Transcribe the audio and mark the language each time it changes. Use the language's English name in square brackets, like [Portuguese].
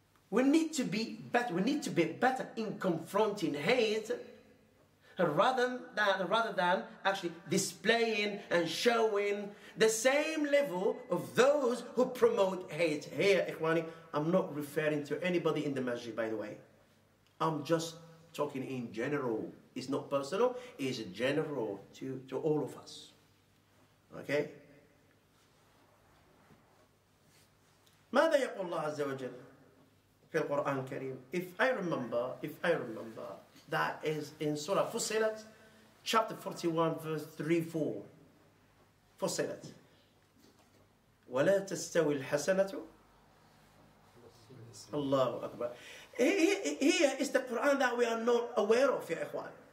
[English] We need to be better in confronting hate rather than actually displaying and showing the same level of those who promote hate. Here, ikhwani, I'm not referring to anybody in the masjid, by the way. I'm just talking in general. It's not personal, it's general to all of us. Okay? [Arabic] ماذا يقول الله عز وجل في القرآن الكريم? [English] If I remember, that is in Surah Fussilat, chapter 41, verse 3-4. [Arabic] Fussilat. وَلَا تَسْتَوِي الْحَسَنَةُ. Allahu Akbar. [English] Here is the Quran that we are not aware of, ya ikhwan.